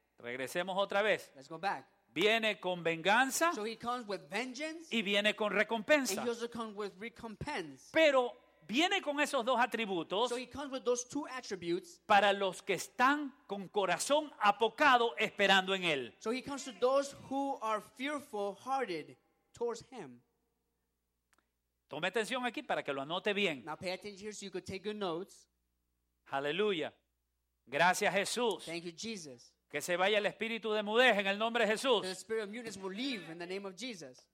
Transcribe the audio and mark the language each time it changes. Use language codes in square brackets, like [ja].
[es] Regresemos otra vez. [en] Let's go back. [es] Viene con venganza. [en] So he comes with vengeance, [es] y viene con recompensa. [en] And he also comes with recompense. [es] Pero viene con esos dos atributos. [en] So he comes with those two attributes, [es] para los que están con corazón apocado esperando en él. [en] So he comes to those who are fearful hearted towards him. [es] Tome atención aquí para que lo anote bien. [en] Now pay attention here so you could take good notes. [es] Aleluya. Gracias, Jesús. [en] Thank you, Jesus. [es] Que se vaya el espíritu de mudez en el nombre de Jesús. [en] The spirit of mudez will leave in the name of Jesus.